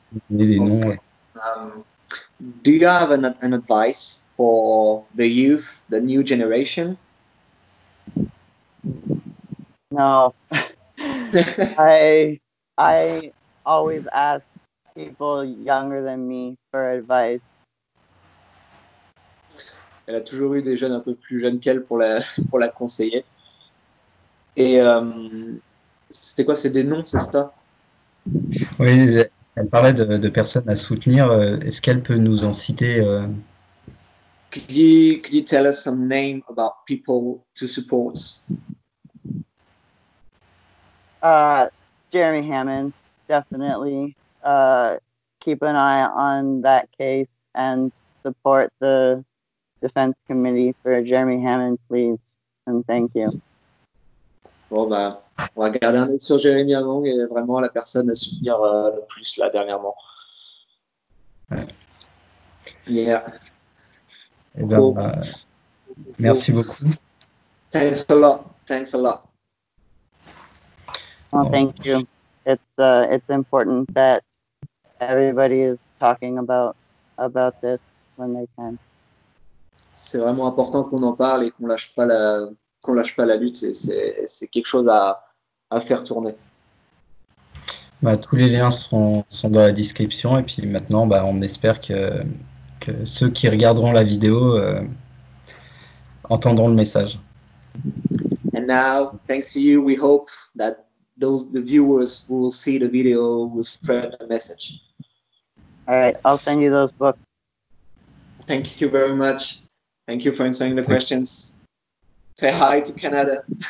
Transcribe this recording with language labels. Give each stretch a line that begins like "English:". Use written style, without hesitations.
English: Do you have an advice for the youth, the new generation? No, I always ask people younger than me for advice.
French: Elle a toujours eu des jeunes un peu plus jeunes qu'elle pour la conseiller. Et c'était quoi? C'est des noms, c'est ça? Oui, elle parlait de personnes à soutenir. Est-ce qu'elle peut nous en citer?
English: Could you tell us some name about people to support? Jeremy Hammond, definitely. Keep an eye on that case and support the Defense Committee for Jeremy Hammond, please. And thank you.
French: Bon, bah, on va garder un œil sur Jeremy Hammond et vraiment la personne à soutenir le plus là dernièrement.
English: Yeah.
French: Et bien, cool. Merci beaucoup.
English: Thanks a lot. Well, thank you. It's important that everybody is talking about this when they can.
French: C'est vraiment important qu'on en parle et qu'on lâche pas la lutte. C'est quelque chose à faire tourner. Bah, tous les liens sont dans la description et puis maintenant bah, on espère que ceux qui regarderont la vidéo entendront le message.
English: And now, thanks to you, we hope that the viewers will see the video, will spread the message. All right, I'll send you those books. Thank you very much. Thank you for answering the questions. Say hi to Canada.